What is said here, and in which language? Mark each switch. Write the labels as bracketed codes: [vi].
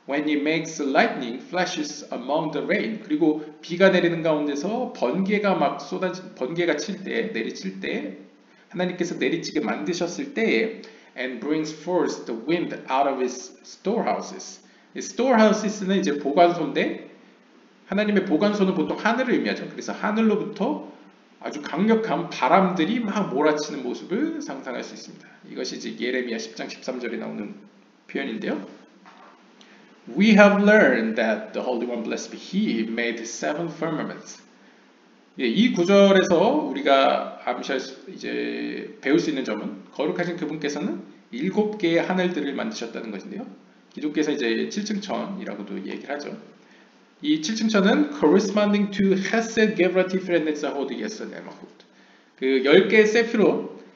[en] When he makes lightning flashes among the rain, [ko] 그리고 비가 내리는 가운데서 번개가 막 번개가 칠 때, 내리칠 때, 하나님께서 내리치게 만드셨을 때에, [en] and brings forth the wind out of his storehouses. [ko] Storehouses는 이제 보관소인데, 하나님의 보관소는 보통 하늘을 의미하죠. 그래서 하늘로부터 아주 강력한 바람들이 막 몰아치는 모습을 상상할 수 있습니다. 이것이 이제 예레미야 10장 13절에 나오는 표현인데요. [en] We have learned that the Holy One blessed be He made seven firmaments. [ko] 예, 이 구절에서 우리가 이제 배울 수 있는 점은 거룩하신 그분께서는 일곱 개의 하늘들을 만드셨다는 것인데요. 기독교에서 이제 7층 천이라고도 얘기를 하죠. 이 7층 천은 [en] corresponding to [ko] Hesed, Gevurah, Tiferet, Netzach, Hod, Yesod, Emachut. 그 10개의 세피로